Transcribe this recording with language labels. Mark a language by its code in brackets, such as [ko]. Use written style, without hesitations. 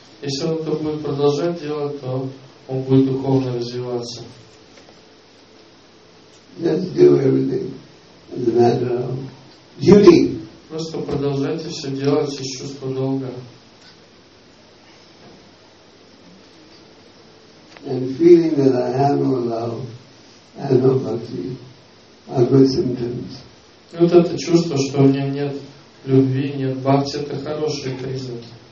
[ru] Если он это будет продолжать делать, то он будет духовно развиваться. [en] Just do everything as a matter of duty. [ru] Просто продолжайте все делать из чувства долга. [en] And feeling that I have no love and no bhakti are good symptoms. [ru] И вот это чувство, что у меня нет любви, нет бхакти, это хорошие признаки.